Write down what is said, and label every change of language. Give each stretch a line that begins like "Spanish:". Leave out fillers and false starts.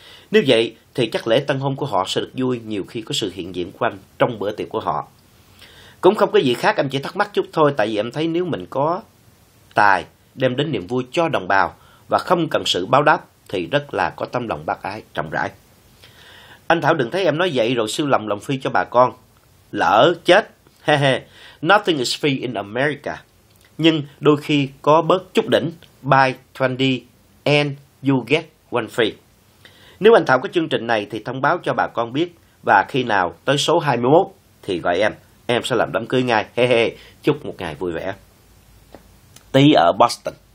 Vietnamese: Nếu vậy thì chắc lễ tân hôn của họ sẽ được vui nhiều khi có sự hiện diện của anh trong bữa tiệc của họ. Cũng không có gì khác, em chỉ thắc mắc chút thôi, tại vì em thấy nếu mình có tài đem đến niềm vui cho đồng bào và không cần sự báo đáp thì rất là có tâm lòng bác ái, trọng rãi. Anh Thảo đừng thấy em nói vậy rồi siêu lòng phi cho bà con. Lỡ chết, he he,
English: nothing is free in America.
Vietnamese: Nhưng đôi khi có bớt chút đỉnh,
English: buy 20 and you get one free.
Vietnamese: Nếu anh Thảo có chương trình này thì thông báo cho bà con biết, và khi nào tới số 21 thì gọi em sẽ làm đám cưới ngay. He he, chúc một ngày vui vẻ. Tí ở Boston.